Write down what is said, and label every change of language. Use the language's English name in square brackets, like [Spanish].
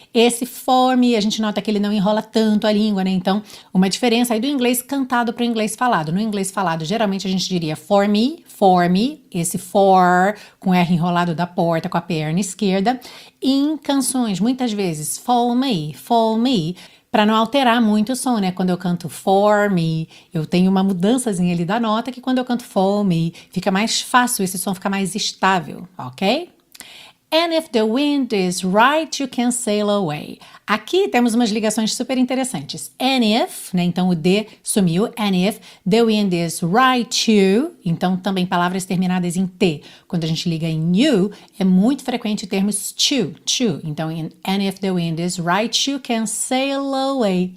[Portuguese] Esse for me, a gente nota que ele não enrola tanto a língua, né? Então, uma diferença aí do inglês cantado para o inglês falado. No inglês falado, geralmente a gente diria for me, esse for com R enrolado da porta, com a perna esquerda. Em canções, muitas vezes, for me, para não alterar muito o som, né? Quando eu canto for me, eu tenho uma mudançazinha ali da nota, que quando eu canto for me, fica mais fácil, esse som fica mais estável, ok? [English] And if the wind is right, you can sail away. [Portuguese] Aqui temos umas ligações super interessantes. And if, né? Então o de sumiu. [English] And if the wind is right, you. [Portuguese] Então também palavras terminadas em T. Quando a gente liga em you, é muito frequente termos to. [English] Então, and if the wind is right, you can sail away.